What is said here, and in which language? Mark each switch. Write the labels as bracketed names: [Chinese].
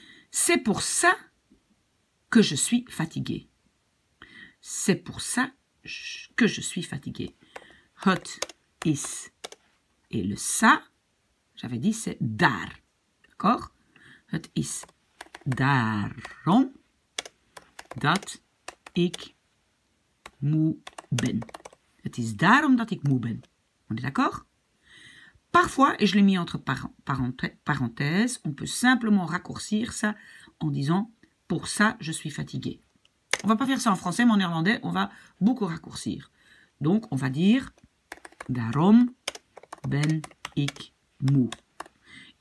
[French] C'est pour ça que je suis fatiguée. C'est pour ça que je suis fatiguée. [Dutch] Het is. [French] Et le ça, j'avais dit, c'est daar. D'accord? [Dutch] Het is daarom dat ik moe ben. Het is daarom dat ik moe ben. [French] On est d'accord? Parfois, et je l'ai mis entre parenthèses, on peut simplement raccourcir ça en disant « pour ça, je suis fatigué ». On ne va pas faire ça en français, mais en néerlandais, on va beaucoup raccourcir. Donc, on va dire « [Dutch] daarom ben ik moe ».